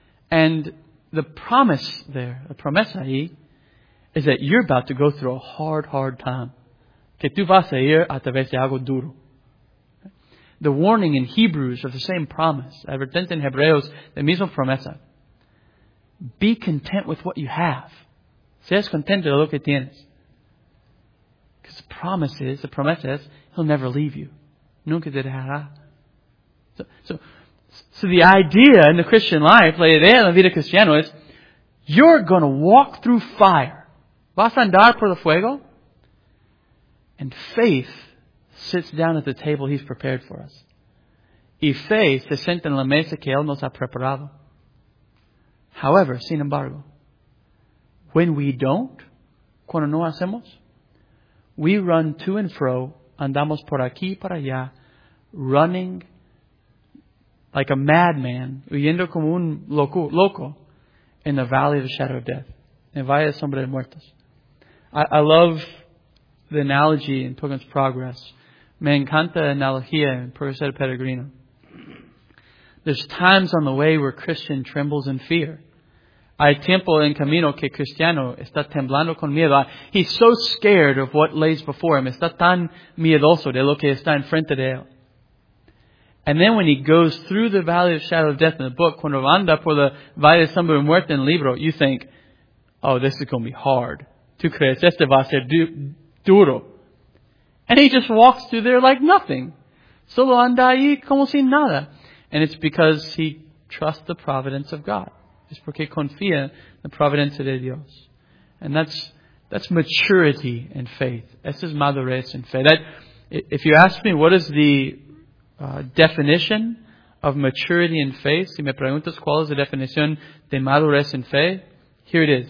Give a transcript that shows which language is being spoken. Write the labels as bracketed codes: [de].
[en] And the promise there, the [es] promesa ahí, [en] is that you're about to go through a hard, hard time. [es] Que tú vas a ir a través de algo duro. [en] The warning in Hebrews of the same promise, [es] advertencia en Hebreos, la misma promesa. [en] Be content with what you have. [es] Seas contento de lo que tienes. [en] Because the promise is, the promesa is, he'll never leave you. [es] Nunca te dejará. [en] So the idea in the Christian life, [es] la idea en la vida cristiana [en] is, you're going to walk through fire. [es] Vas a andar por el fuego. [en] And faith sits down at the table he's prepared for us. [es] Y fe se sienta en la mesa que él nos ha preparado. [en] However, [es] sin embargo, [en] when we don't, [es] cuando no hacemos, [en] we run to and fro, [es] andamos por aquí y para allá, [en] running like a madman, [es] huyendo como un loco, [en] in the valley of the shadow of death, [es] en el valle de sombra de muertos. [en] I love the analogy in Pilgrim's Progress. [es] Me encanta analogía en Progreso del Peregrino. [en] There's times on the way where Christian trembles in fear. [es] Hay tiempo en camino que cristiano está temblando con miedo. [en] He's so scared of what lays before him. [es] Está tan miedoso de lo que está enfrente de él. [en] And then when he goes through the valley of shadow of death in the book, [es] cuando anda por la valle de sombra de muerte en el libro, [en] you think, oh, this is going to be hard. [es] Tú crees, este va a ser duro. [en] And he just walks through there like nothing. [es] Solo anda ahí como sin nada. [en] And it's because he trusts the providence of God. [es] Es porque confía en la providencia de Dios. [en] And that's maturity in faith. [es] Esa es madurez en fe. [en] That, if you ask me, what is the definition of maturity in faith? [es] Si me preguntas cuál es la definición de madurez en fe, [en] here it is.